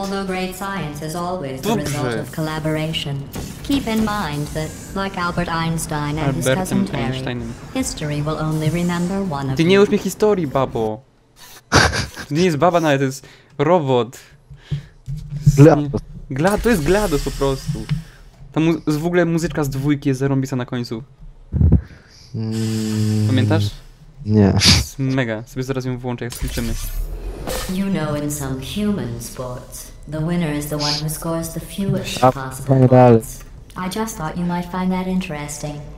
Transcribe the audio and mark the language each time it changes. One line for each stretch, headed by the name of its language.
English: Although great science is always the result of collaboration, keep in mind that, like Albert Einstein and his cousin Terry, history will only remember one of you.
Polish: Ty nie już mi historii, babo. To nie jest baba nawet, to jest robot. To jest GLaDOS po prostu. Tam w ogóle muzyczka z dwójki jest zarąbista na końcu. Pamiętasz? Nie. Mega, sobie zaraz ją włączę, jak skończymy.
English: You know in some human sports, the winner is the one who scores the fewest possible points. I just thought you might find that interesting.